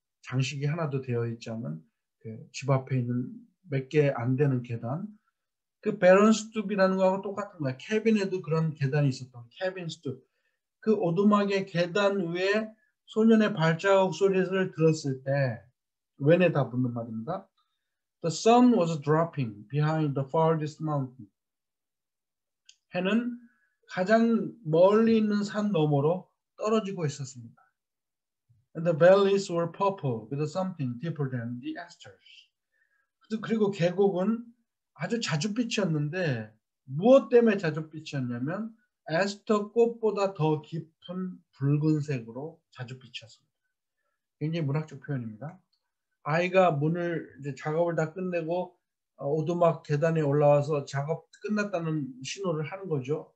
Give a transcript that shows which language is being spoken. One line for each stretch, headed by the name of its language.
Korean: 장식이 하나도 되어 있지 않은 그집 앞에 있는 몇개안 되는 계단. 그 베런 스툽이라는 거하고 똑같은 거야. 캐빈에도 그런 계단이 있었던 캐빈 스툽. 그 오두막의 계단 위에 소년의 발자국 소리를 들었을 때, when에 다 붙는 말입니다.
English: The sun was dropping behind the farthest mountain.
Korean: 해는 가장 멀리 있는 산 너머로 떨어지고 있었습니다.
English: And the valleys were purple with something deeper than the asters.
Korean: 그리고 계곡은 아주 자줏빛이었는데, 무엇 때문에 자줏빛이었냐면, 에스터 꽃보다 더 깊은 붉은색으로 자줏빛이었습니다. 굉장히 문학적 표현입니다. 아이가 문을, 이제 작업을 다 끝내고, 오두막 계단에 올라와서 작업 끝났다는 신호를 하는 거죠.